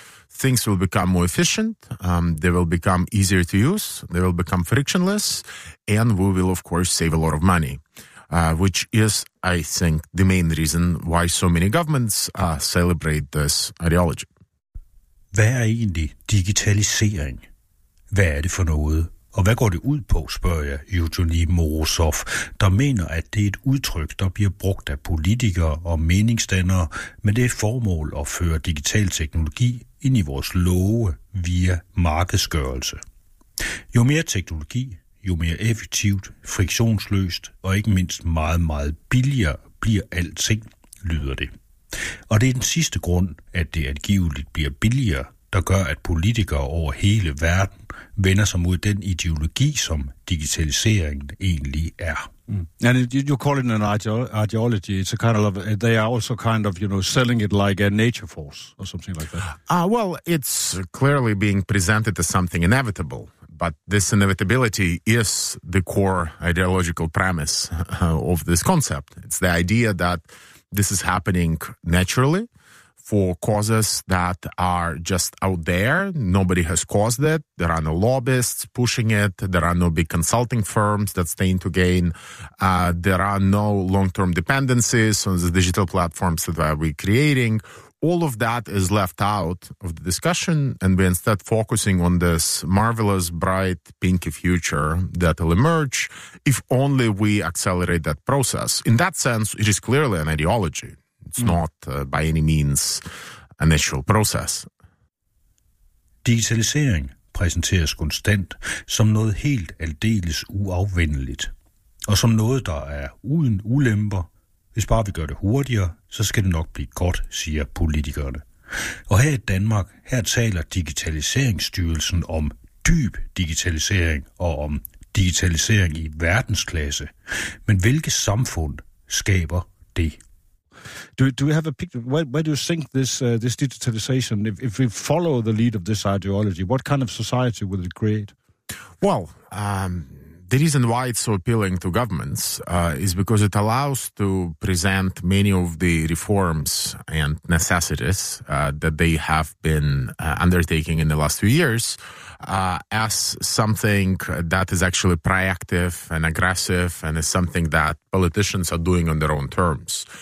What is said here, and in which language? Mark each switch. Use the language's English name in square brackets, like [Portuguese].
[English] things will become more efficient, they will become easier to use, they will become frictionless, and we will, of course, save a lot of money, which is, I think, the main reason why so many governments celebrate this ideology. [Danish] Hvad er egentlig digitalisering? Hvad er det for noget? Og hvad går det ud på, spørger jeg Eugene Morozov, der mener, at det er et udtryk, der bliver brugt af politikere og meningsdannere med det formål at føre digital teknologi ind i vores love via markedsgørelse. Jo mere teknologi, jo mere effektivt, friktionsløst og ikke mindst meget, meget billigere bliver alting, lyder det. Og det er den sidste grund, at det angiveligt bliver billigere, der gør, at politikere over hele verden vender sig mod den ideologi, som digitaliseringen egentlig er. [English] Mm. And you call it an ideology. It's a kind of, they are also kind of, you know, selling it like a nature force or something like that. Well, it's clearly being presented as something inevitable. But this inevitability is the core ideological premise of this concept. It's the idea that this is happening naturally for causes that are just out there. Nobody has caused it. There are no lobbyists pushing it. There are no big consulting firms that stand to gain. There are no long-term dependencies on the digital platforms that we're creating. All of that is left out of the discussion, and we're instead focusing on this marvelous, bright, pinky future that will emerge if only we accelerate that process. In that sense, it is clearly an ideology. It's not by any means a natural process. [Danish] Digitalisering præsenteres konstant som noget helt aldeles uafvendeligt, og som noget, der er uden ulemper. Hvis bare vi gør det hurtigere, så skal det nok blive godt, siger politikerne. Og her i Danmark, her taler Digitaliseringsstyrelsen om dyb digitalisering og om digitalisering i verdensklasse. Men hvilke samfund skaber det? [English] Do we have a picture? Where do you think this digitalisation, if we follow the lead of this ideology, what kind of society will it create? Well, the reason why it's so appealing to governments is because it allows to present many of the reforms and necessities that they have been undertaking in the last few years as something that is actually proactive and aggressive and is something that politicians are doing on their own terms.